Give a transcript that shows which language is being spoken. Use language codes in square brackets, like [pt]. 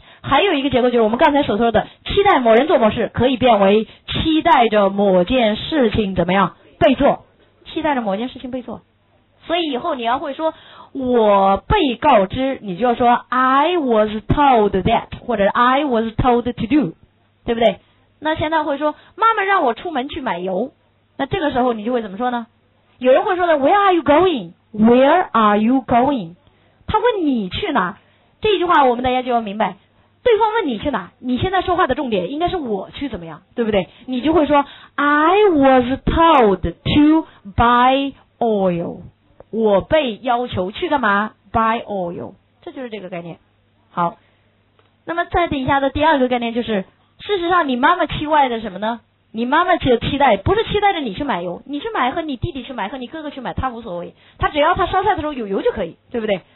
[zh] 还有一个结构就是我们刚才所说的期待某人做某事，可以变为期待着某件事情怎么样被做，期待着某件事情被做。所以以后你要会说我被告知，你就要说 [en] I was told that， [zh] 或者 [en] I was told to do， [zh] 对不对？那现在会说妈妈让我出门去买油，那这个时候你就会怎么说呢？ [en] 有人会说的 Where are you going? Where are you going? [zh] 他问你去哪，这句话我们大家就要明白，对方问你去哪，你现在说话的重点应该是我去怎么样，对不对？你就会说 [en] I was told to buy oil， [zh] 我被要求去干嘛？ [en] buy oil， [zh] 这就是这个概念。好，那么再底下的第二个概念就是，事实上你妈妈期待的什么呢？你妈妈只有期待，不是期待着你去买油，你去买和你弟弟去买和你哥哥去买他无所谓，他只要他烧菜的时候有油就可以，对不对？